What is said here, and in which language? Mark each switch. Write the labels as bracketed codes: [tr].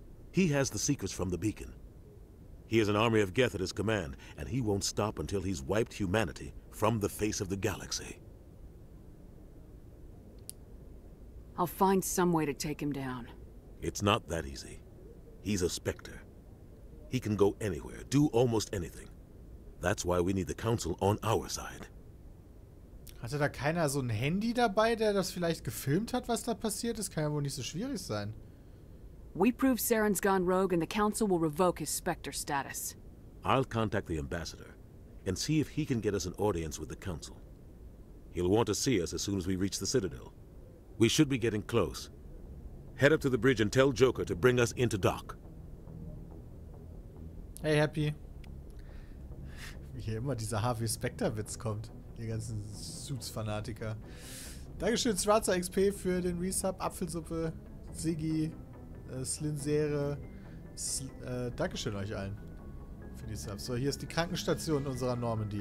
[en] He has the secrets from the beacon. He has an army of Geth at his command, and he won't stop until he's wiped humanity from the face of the galaxy. I'll find some way to take him down. It's not that easy. He's a Spectre. He can go anywhere, do almost anything. That's why we need the Council on our side. [de] Hatte da keiner so ein Handy dabei, der das vielleicht gefilmt hat, was da passiert ist? Kann ja wohl nicht so schwierig sein. [en] We prove Saren's gone rogue and the Council will revoke his Spectre status. I'll contact the Ambassador and see if he can get us an audience with the Council. He'll want to see us as soon as we reach the Citadel. We should be getting close. Head up to the bridge and tell Joker to bring us into dock. Hey, Happy. [de] Wie hier immer dieser Harvey Specter-Witz kommt. Ihr ganzen Suits-Fanatiker. Dankeschön, Schwarzer XP, für den Resub, Apfelsuppe, Ziggy, Slinsere. Dankeschön euch allen für die Subs. So, hier ist die Krankenstation unserer Normandy.